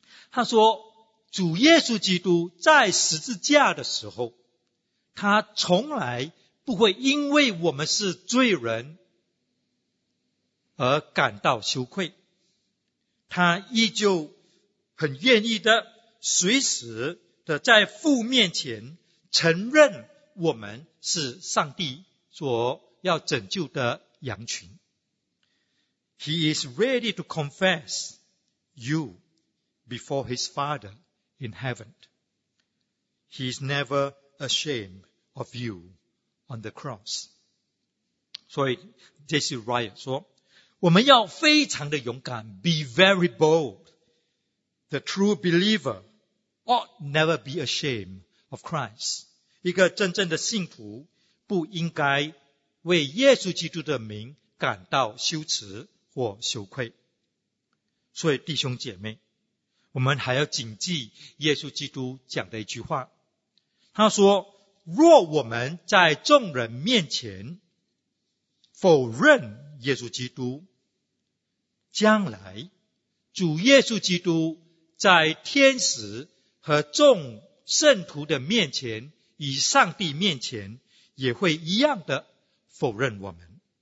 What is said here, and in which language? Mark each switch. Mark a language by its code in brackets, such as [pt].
[zh] 他说主耶稣基督在十字架的时候，他从来不会因为我们是罪人而感到羞愧，他依旧很愿意的随时的在父面前承认我们是上帝所要拯救的羊群。 [en] He is ready to confess you before his Father in heaven. He is never ashamed of you on the cross. [zh] 所以 J.C. Ryle 说我们要非常的勇敢， [en] Be very bold. The true believer ought never be ashamed of Christ. [zh] 一个真正的信徒不应该为耶稣基督的名感到羞耻或羞愧。所以弟兄姐妹，我们还要谨记耶稣基督讲的一句话，他说若我们在众人面前否认耶稣基督，将来主耶稣基督在天使和众圣徒的面前，以上帝面前，也会一样的否认我们。